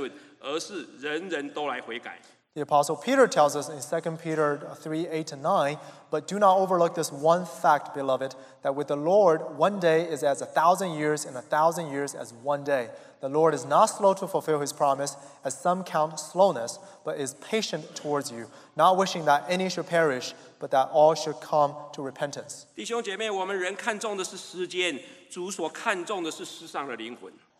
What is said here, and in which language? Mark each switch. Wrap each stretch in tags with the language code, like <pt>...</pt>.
<zh>在彼得后书3章8到9节，彼得告诉我们这样说：“亲爱的，有一件事情你们不可忘记，就是主看一日如千年，千年如一日。主没有迟延他的应许，就如有人以为他是迟延，其实他是宽容你们，不愿一人沉沦，而是人人都来悔改。”</zh> <en>The Apostle Peter tells us in 2 Peter 3:8-9, But do not overlook this one fact, beloved, that with the Lord, one day is as 1,000 years, and 1,000 years as one day. The Lord is not slow to fulfill his promise, as some count slowness, but is patient towards you, not wishing that any should perish, but that all should come to repentance.</en> <zh>弟兄姐妹，我们人看重的是时间，主所看重的是世上的灵魂。</zh>